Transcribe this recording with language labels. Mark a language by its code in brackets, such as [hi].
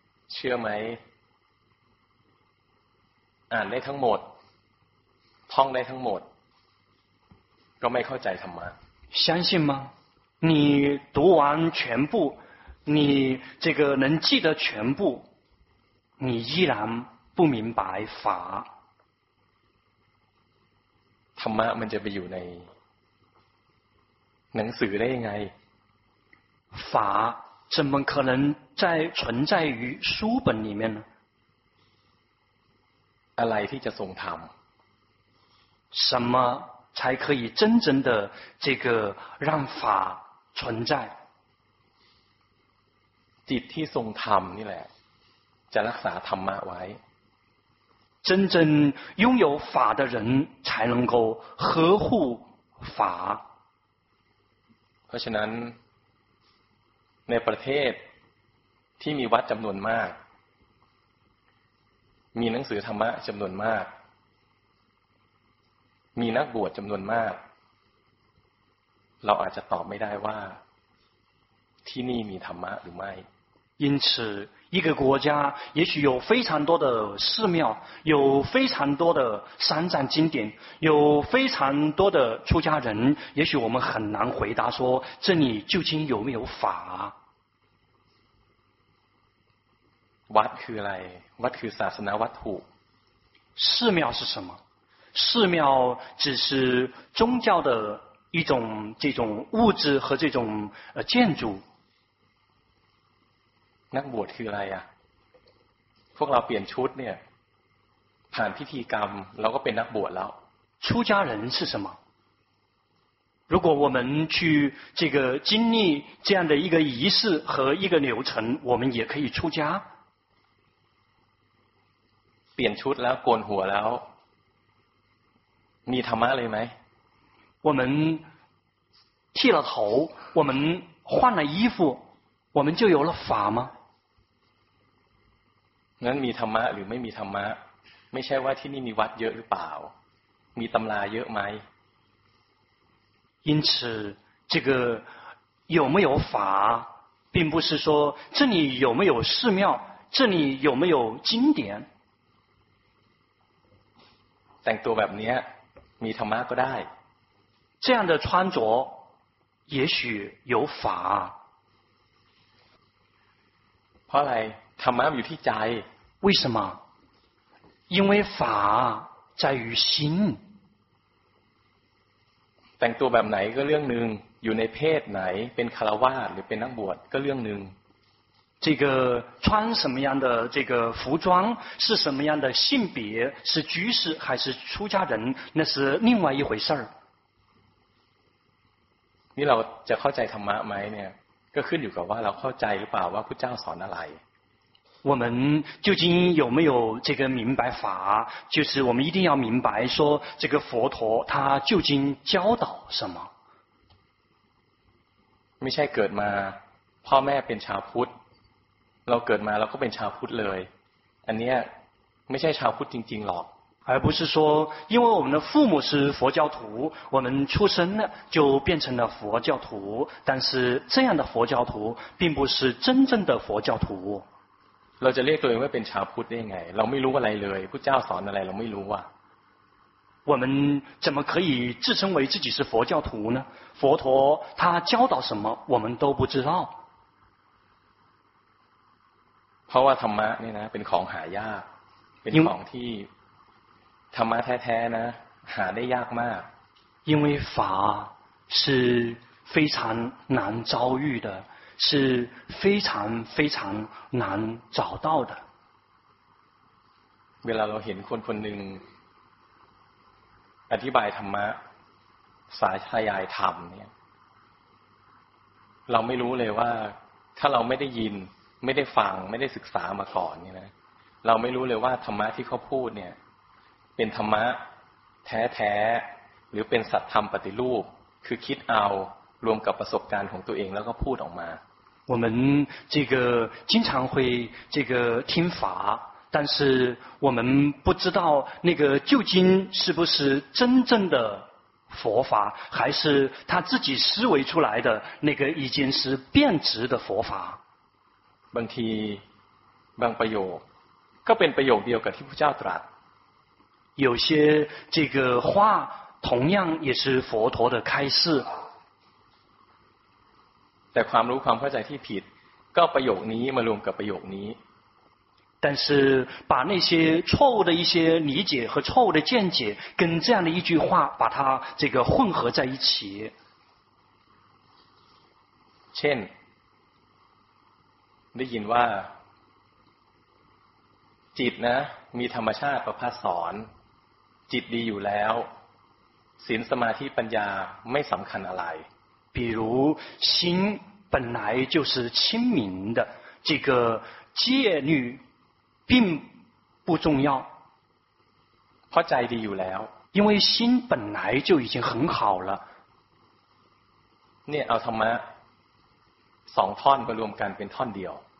[th] เชื่อไหมได้ทั้งหมดท่องได้ทั้งหมดก็ไม่เข้าใจธรรมะ [zh] 相信吗你读完全部你这个能记得全部你依然不明白法 [th] ธรรมะมันจะไปอยู่ในหนังสือได้ยังไง [zh] 法怎么可能在存在于书本里面呢 [th] อะไรที่จะทรงธรรม [zh] 什么才可以真正的这个让法存在 [th] จิตที่ทรงธรรมนี่แหละจะรักษาธรรมะไว้ [zh] 真正拥有法的人才能够呵护法。 [th] เพราะฉะนั้นในประเทศที่มีวัดจำนวนมากมีหนังสือธรรมะจำนวนมากมีนักบวชจำนวนมากเราอาจจะตอบไม่ได้ว่าที่นี่มีธรรมะหรือไม่ [zh] 因此一个国家也许有非常多的寺庙有非常多的三藏经典有非常多的出家人也许我们很难回答说这里究竟有没有法 [th] วัดคืออะไรวัดคือศาสนาวัตถุ [zh] 寺庙是什么寺庙只是宗教的一种这种物质和这种建筑 [th] นักบวชคืออะไรอ่ะพวกเราเปลี่ยนชุดเนี่ยผ่านพิธีกรรมเราก็เป็นนักบวชแล้ว [zh] 出家人是什么如果我们去这个经历这样的一个仪式和一个流程我们也可以出家 [th] เปลี่ยนชุดแล้วโกนหัวแล้วมีธรรมะเลยไหม [zh] 我们剃了头我们换了衣服我们就有了法吗 [th] งั้นมีธรรมะหรือไม่มีธรรมะไม่ใช่ว่าที่นี่มีวัดเยอะหรือเปล่ามีตำราเยอะไหม [zh] 因此这个有没有法并不是说这里有没有寺庙这里有没有经典 [th] แต่งตัวแบบนี้มีธรรมะก็ได้ [zh] 这样的穿着也许有法 [th] เพราะอะไรธรรมะอยู่ที่ใจ [zh] 为什么因为法在于心 [th] แต่งตัวแบบไหนก็เรื่องนึงอยู่ในเพศไหนเป็นคฤหัสถ์หรือเป็นนักบวชก็เรื่องนึง [zh] 这个穿什么样的这个服装是什么样的性别是居士还是出家人那是另外一回事 [th] นี่เราจะเข้าใจธรรมะไหมเนี่ยก็ขึ้นอยู่กับว่าเราเข้าใจหรือเปล่าว่าพุทธเจ้าสอนอะไร [zh] 我们究竟有没有这个明白法就是我们一定要明白说这个佛陀他究竟教导什么 [th] ไม่ใช่เกิดมาพ่อแม่เป็นชาวพุทธเราเกิดมาเราก็เป็นชาวพุทธเลยอันเนี้ยไม่ใช่ชาวพุทธจริงๆหรอก [zh] 而不是说因为我们的父母是佛教徒我们出生了就变成了佛教徒但是这样的佛教徒并不是真正的佛教徒 [th] เราจะเรียกตัวเองว่าเป็นชาวพุทธได้ไงเราไม่รู้อะไรเลยพุทธเจ้าสอนอะไรเราไม่รู้อ่ะ [zh] 我们怎么可以自称为自己是佛教徒呢佛陀他教导什么我们都不知道 [th] เพราะว่าธรรมะเนี่ยนะเป็นของหายากเป็นของที่ธรรมะแท้ๆนะหาได้ยากมาก [zh] 因为法是非常难遭遇的是非常非常难找到的 [th] เวลาเราเห็นคนคนหนึ่งอธิบายธรรมะสายทายายธรรมเนี่ยเราไม่รู้เลยว่าถ้าเราไม่ได้ยินไม่ได้ฟังไม่ได้ศึกษามาก่อนเนี่ยนะเราไม่รู้เลยว่าธรรมะที่เขาพูดเนี่ยเป็นธรรมะแท้ๆหรือเป็นสัจธรรมปฏิรูปคือคิดเอารวมกับประสบการณ์ของตัวเองแล้วก็พูดออกมา [zh] 我们这个经常会这个听法但是我们不知道那个旧经是不是真正的佛法，还是他自己思维出来的那个已经是变质的佛法。 [th] บางทีบางประโยคก็เป็นประโยคเดียวกับที่พระเจ้าตรัส。 [zh] 有些这个话同样也是佛陀的开示。 [th] แต่ความรู้ความเข้าใจที่ผิดก็ประโยคนี้มารวมกับประโยคนี้。 [zh] 但是把那些错误的一些理解和错误的见解跟这样的一句话把它这个混合在一起。 [th] เช่นได้ยินว่าจิตนะมีธรรมชาติประพัสสอนจิตดีอยู่แล้วศีลสมาธิปัญญาไม่สำคัญอะไร [zh] 比如心本来就是清明的这个戒律并不重要 [th] เพราะใจดีอยู่แล้ว [zh] 因为心本来就已经很好了 [th] เนี่ยเอาธรรมะสองท่อนมารวมกันเป็นท่อนเดียว